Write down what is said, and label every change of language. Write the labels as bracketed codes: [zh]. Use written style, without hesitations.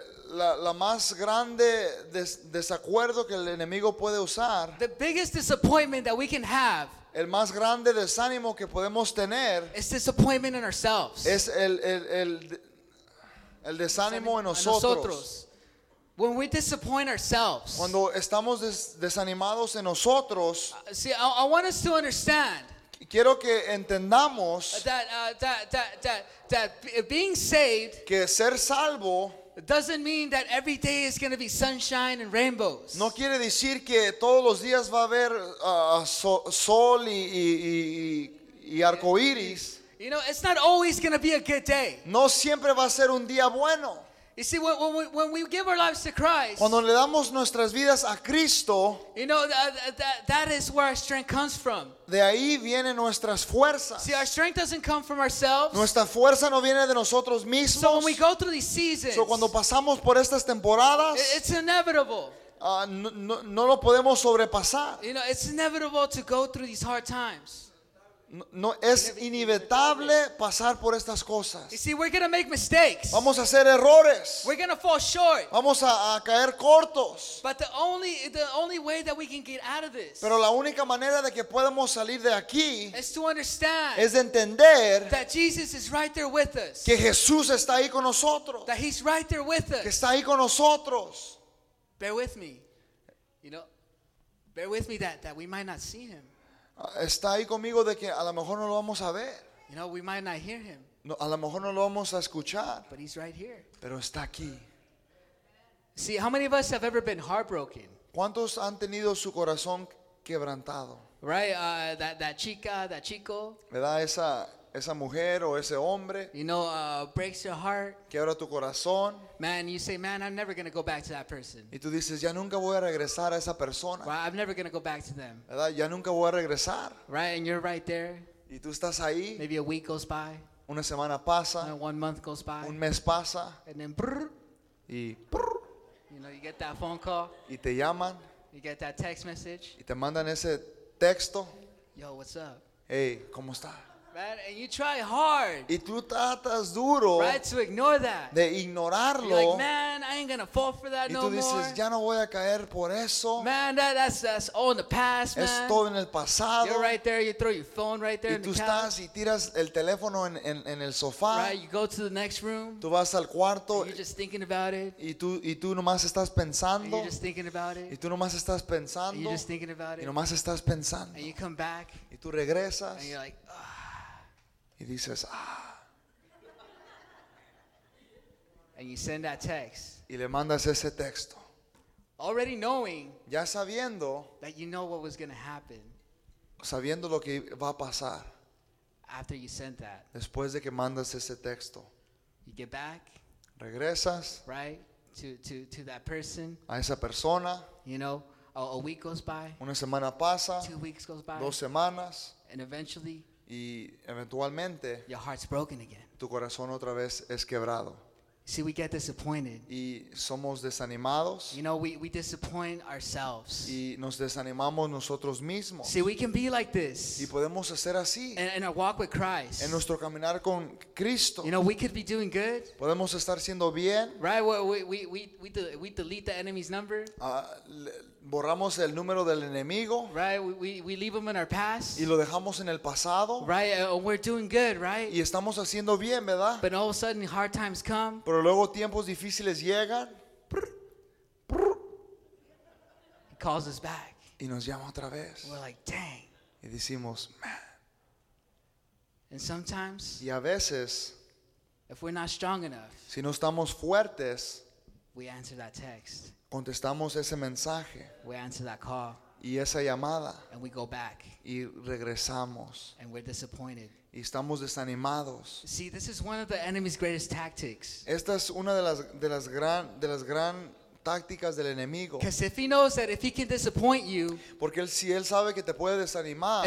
[es] La más grande desacuerdo que el enemigo puede usar. [en] The biggest disappointment that we can have. [es] El más grande desánimo que podemos tener. [en] Is disappointment in ourselves. [es] Es el desánimo en nosotros. [en] When we disappoint ourselves. [es] Cuando estamos desanimados en nosotros. [en] See, I want us to understand. [es] Quiero que entendamos [en] that being saved, [es] que ser salvo, [en] doesn't mean that every day is going to be sunshine and rainbows. [es] No quiere decir que todos los días va a haber sol y arcoíris. [en] You know, it's not always going to be a good day. [es] No siempre va a ser un día bueno. [en] You see, when we give our lives to Christ, [es] cuando le damos nuestras vidas a Cristo, [en] you know, that is where our strength comes from. [es] De ahí vienen nuestras fuerzas. [en] See, our strength doesn't come from ourselves. [es] Nuestra fuerza no viene de nosotros mismos. [en] So when we go through these seasons, [es] so cuando pasamos por estas temporadas, [en] it's inevitable. [es] No lo podemos sobrepasar. [en] You know, it's inevitable to go through these hard times. [es] No, es inevitable pasar por estas cosas. [en] You see, we're gonna make mistakes. [es] Vamos a hacer errores. [en] We're gonna fall short. [es] Vamos a caer cortos. [en] But the only way that we can get out of this. [es] Pero la única manera de que podemos salir de aquí [en] is to understand, [es] es de entender [en] that Jesus is right there with us. [es] Que Jesús está ahí con nosotros. [en] That he's right there with us. [es] Que está ahí con nosotros. [en] Bear with me. You know, bear with me that we might not see him. [es] Está ahí conmigo de que a lo mejor no lo vamos a ver. [en] You know, we might not hear him. [es] No, a lo mejor no lo vamos a escuchar. [en] But he's right here. [es] Pero está aquí. [en] See, how many of us have ever been heartbroken? [es] ¿Cuántos han tenido su corazón quebrantado? [en] Right, that [es] chica, [en] that [es] chico. ¿Verdad? Esa mujer o ese hombre. [en] You know, breaks your heart. [es] Quiebra tu corazón. [en] Man, you say, man, I'm never going to go back to that person. [es] Y tú dices, ya nunca voy a regresar a esa persona. [en] Well, I'm never going to go back to them. [es] ¿Verdad? Ya nunca voy a regresar. [en] Right, and you're right there. [es] Y tú estás ahí. [en] Maybe a week goes by. [es] Una semana pasa. [en] And 1 month goes by. [es] Un mes pasa. [en] And then brrr. [es] Y brrr. [en] You know, you get that phone call. [es] Y te llaman. [en] You get that text message. [es] Y te mandan ese texto. [en] Yo, what's up? [es] Hey, ¿cómo está? [en] Man, and you try hard. [es] Y tú tratas duro. [en] Right, to ignore that. [es] De ignorarlo. [en] You're like, man, I ain't gonna fall for that no more. [es] Y tú dices, ya no voy a caer por eso. [en] Man, that's all in the past, man. [es] Es todo en el pasado. [en] You're right there. You throw your phone right there. [es] Y tú estás y tiras el teléfono en el sofá. [en] Right, you go to the next room. [es] Tú vas al cuarto. [en] And you're just thinking about it. [es] Y tú nomás estás pensando. [en] And you're just thinking about it. [es] Y tú nomás estás pensando. [en] And you're just thinking about it. [es] Y nomás estás pensando. [en] And you come back. [es] Y tú regresas. [en] And you're like, [es] y dices, [en] and you send that text. [es] Y le mandas ese texto. [en] Already knowing. [es] Ya sabiendo. [en] That you know what was going to happen. [es] Sabiendo lo que va a pasar. [en] After you sent that. [es] Después de que mandas ese texto. [en] You get back. [es] Regresas. [en] Right. To that person. [es] A esa persona. [en] You know, a week goes by. [es] Una semana pasa. [en] 2 weeks goes by. [es] 2 semanas. [en] And eventually. [es] Y eventualmente, [en] your heart's broken again. [es] Tu corazón otra vez es quebrado. [en] See, we get disappointed. [es] Y somos desanimados. [en] You know, we disappoint ourselves. [es] Y nos desanimamos nosotros mismos. [en] See, we can be like this. [es] Y podemos hacer así. [en] In our walk with Christ. [es] En nuestro caminar con Cristo. [en] You know, we could be doing good. [es] Podemos estar siendo bien. [en] Right, we delete the enemy's number. [es] Borramos el número del enemigo. [en] Right, we leave him in our past. [es] Y lo dejamos en el pasado. [en] Right, we're doing good, right? [es] Y estamos haciendo bien, ¿verdad? [en] But all of a sudden, hard times come. [es] Pero luego tiempos difíciles llegan. [en] He calls us back. [es] Y nos llama otra vez. [en] We're like, dang. [es] Y decimos, man. [en] And sometimes, [es] y a veces, [en] if we're not strong enough, [es] si no estamos fuertes, [en] we answer that text. [es] Contestamos ese mensaje. [en] We answer that call. [es] Y esa llamada. [en] And we go back. [es] Y regresamos. [en] And we're disappointed. [es] Y estamos desanimados. [en] See, this is one of the enemy's greatest tactics. [es] Esta es una de las gran tácticas del enemigo. [en] Because if he knows that if he can disappoint you, [es] porque si él sabe que te puede desanimar,